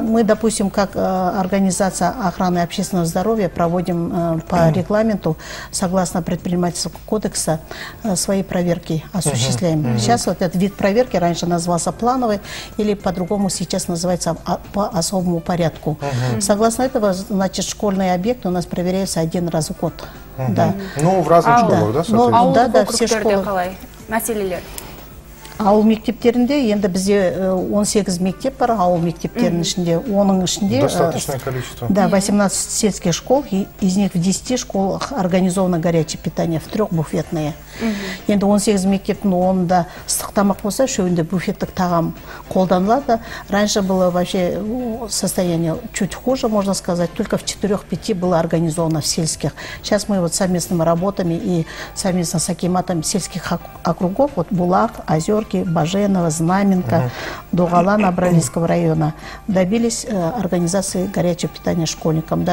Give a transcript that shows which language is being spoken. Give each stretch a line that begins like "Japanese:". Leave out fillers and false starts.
Russian: Мы, допустим, как организация охраны общественного здоровья проводим по регламенту, согласно предпринимательского кодекса, свои проверки осуществляем. Сейчас вот этот вид проверки раньше назывался плановый, или по-другому сейчас называется по особому порядку. Согласно этого, значит, школьный объект у нас проверяется один раз в год. Да. Ну, в разных школах, да, соответственно? Да, все школы. Қалай? Населелер.
Kazakh: Ауыл мектептерінде, енді бізде 18 мектеп бар, ауыл мектептерінің ішінде, оның ішінде...
Russian: Достаточное количество. Да, 18 сельских школ, и из них в 10 школах организовано горячее питание, в 3 буфетные.
Kazakh: Енді 18 мектептің онында ыстық тамақ болса, үшеуінде буфеттік тағам қолданылады.
Russian: Раньше было вообще состояние чуть хуже, можно сказать, только в 4-5 было организовано в сельских. Сейчас мы вот совместными работами и совместно с акиматом сельских округов, вот Булак, Озер, Баженова, Знаменка, Дугала Набралинского района добились организации горячего питания школьникам.